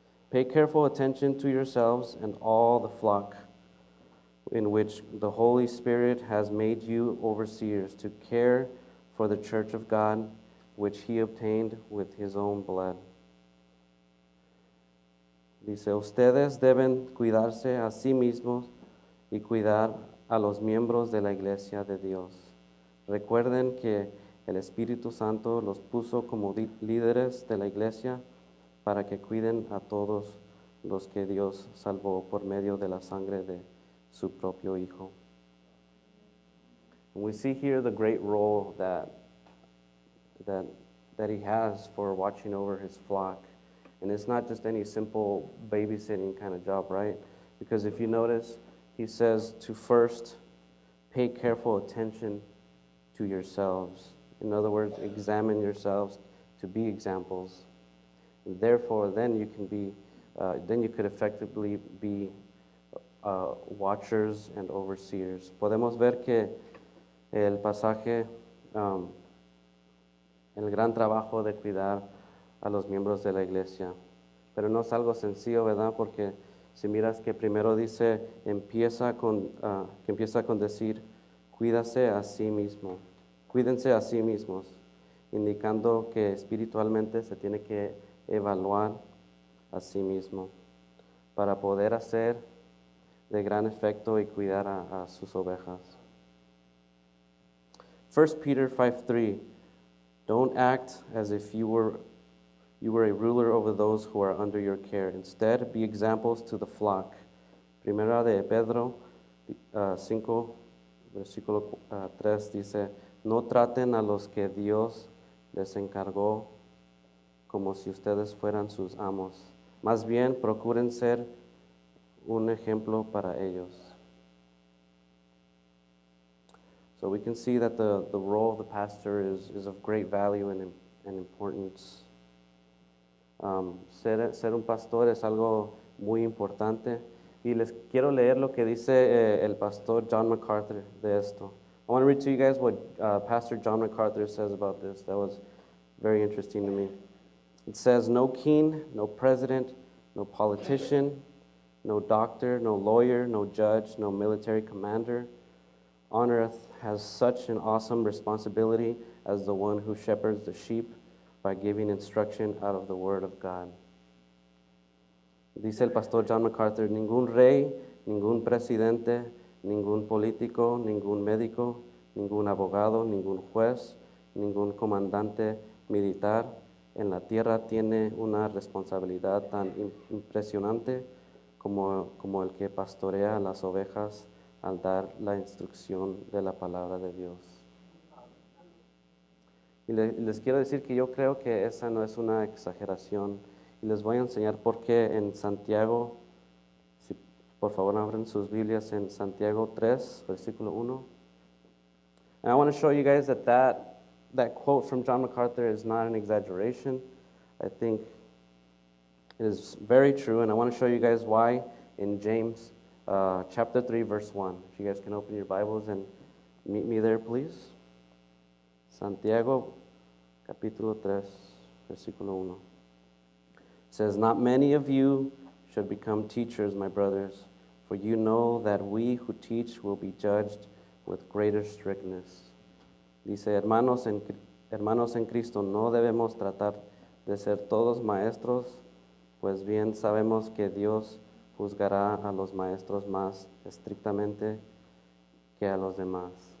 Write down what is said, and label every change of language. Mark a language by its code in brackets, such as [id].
[en] Pay careful attention to yourselves and all the flock in which the Holy Spirit has made you overseers to care for the church of God, which he obtained with his own blood. [es] Dice, ustedes deben cuidarse a sí mismos y cuidar a los miembros de la iglesia de Dios. Recuerden que el Espíritu Santo los puso como líderes de la iglesia para que cuiden a todos los que Dios salvó por medio de la sangre de su propio hijo. [en] And we see here the great role that he has for watching over his flock. And it's not just any simple babysitting kind of job, right? Because if you notice, he says to first pay careful attention to yourselves. In other words, examine yourselves to be examples. And therefore, then you can be, then you could effectively be watchers and overseers. [es] Podemos ver que el pasaje, el gran trabajo de cuidar a los miembros de la iglesia. Pero no es algo sencillo, ¿verdad? Porque si miras que primero dice, empieza con decir, cuídase a sí mismo. Cuídense a sí mismos. Indicando que espiritualmente se tiene que evaluar a sí mismo. Para poder hacer de gran efecto y cuidar a sus ovejas. [en] 1 Peter 5:3, don't act as if you were a ruler over those who are under your care. Instead, be examples to the flock. [es] Primera de Pedro 5, versículo 3 dice, no traten a los que Dios les encargó como si ustedes fueran sus amos. Más bien, procuren ser un ejemplo para ellos. [en] So we can see that the role of the pastor is of great value and importance. [es] Ser un pastor es algo muy importante. Y les quiero leer lo que dice el pastor John MacArthur de esto. [en] I want to read to you guys what Pastor John MacArthur says about this. That was very interesting to me. It says, no king, no president, no politician, no doctor, no lawyer, no judge, no military commander on earth has such an awesome responsibility as the one who shepherds the sheep by giving instruction out of the word of God. [es] Dice el pastor John MacArthur, ningún rey, ningún presidente, ningún político, ningún médico, ningún abogado, ningún juez, ningún comandante militar en la tierra tiene una responsabilidad tan impresionante como el que pastorea las ovejas al dar la instrucción de la palabra de Dios. Y les quiero decir que yo creo que esa no es una exageración. Y les voy a enseñar por qué en Santiago, si por favor abren sus Biblias en Santiago 3, versículo 1. [en] And I want to show you guys that quote from John MacArthur is not an exaggeration. I think it is very true, and I want to show you guys why in James chapter 3, verse 1. If you guys can open your Bibles and meet me there, please. [es] Santiago, capítulo 3, versículo 1. [en] Says, not many of you should become teachers, my brothers, for you know that we who teach will be judged with greater strictness. [es] Dice, hermanos en Cristo, no debemos tratar de ser todos maestros, pues bien sabemos que Dios juzgará a los maestros más estrictamente que a los demás.